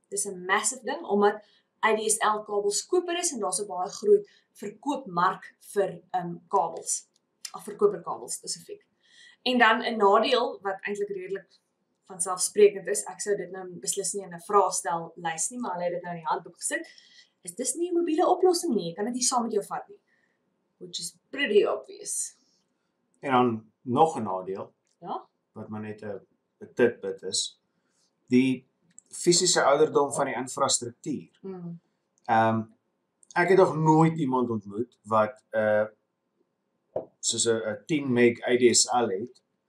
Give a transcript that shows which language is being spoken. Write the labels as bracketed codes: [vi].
[af] Dis 'n massive ding, omdat ADSL kabels koper is en daar is 'n baie groot verkoopmark vir kabels. Of verkoperkabels spesifiek. En dan 'n nadeel, wat eintlik redelik vanselfsprekend is, ek sou dit nou beslis nie in 'n vraestel lys nie, maar hulle het dit nou in die handboek gesit, is dis nie 'n mobiele oplossing nie, jy kan dit nie saam met jou vat nie. [en] Which is pretty obvious. [af] En dan nog 'n nadeel. Ja? Wat maar net 'n tidbit is, die fisiese ouderdom van die infrastruktuur. Ek het nog nooit iemand ontmoet wat soos 'n 10 meg ADSL het,